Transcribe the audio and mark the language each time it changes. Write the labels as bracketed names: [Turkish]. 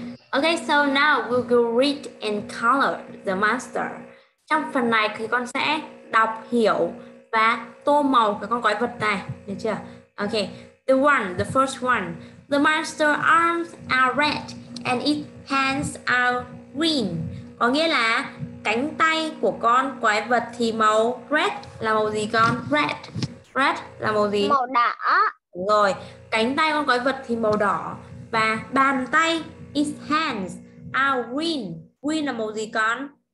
[English] Ok, so now we will read in color the master. [Vietnamese] Trong phần này thì con sẽ đọc hiểu và tô màu cho con quái vật này, được chưa? [English] Ok. The one, the first one. The master's arms are red and its hands are green. [Vietnamese] Có nghĩa là cánh tay của con quái vật thì màu red là màu gì con? Red. Red là màu gì? Màu đỏ. Đúng rồi. Cánh tay con quái vật thì màu đỏ và bàn tay [English] its hands are green. [Vietnamese] Green là màu gì con?